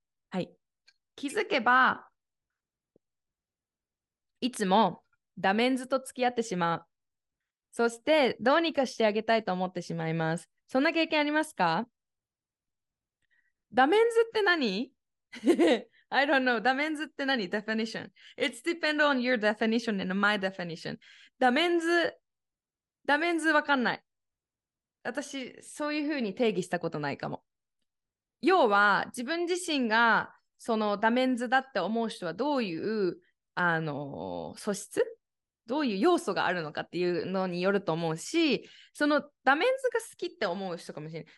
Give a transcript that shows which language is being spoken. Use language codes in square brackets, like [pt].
[ja] はい。気づけば、いつもダメンズと付き合ってしまう。そして、どうにかしてあげたいと思ってしまいます。そんな経験ありますか？ダメンズって何？ [en] I don't know. [ja] ダメンズって何？ [en] Definition. It's depend on your definition and my definition. [ja] ダメンズわかんない。私、そういうふうに定義したことないかも。要は、自分自身が、そのダメンズだって思う人はどういう、素質？どういう要素があるのかっていうのによると思うし、そのダメンズが好きって思う人かもしれない。